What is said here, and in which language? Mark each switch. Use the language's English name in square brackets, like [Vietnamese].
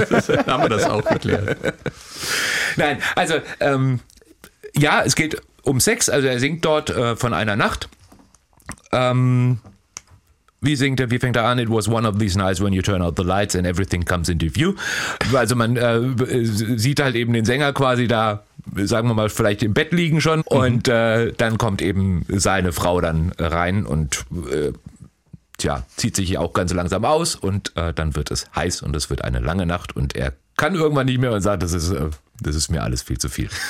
[German] Dann haben wir das auch geklärt. Nein, also es geht um Sex. Also er singt dort von einer Nacht. Wie singt er, wie fängt er an? [English] It was one of these nights when you turn out the lights and everything comes into view. [German] Also man sieht halt eben den Sänger quasi da, sagen wir mal, vielleicht im Bett liegen schon. Mhm. Und dann kommt eben seine Frau dann rein und zieht sich auch ganz langsam aus. Und dann wird es heiß und es wird eine lange Nacht. Und er kann irgendwann nicht mehr und sagt, das ist mir alles viel zu viel.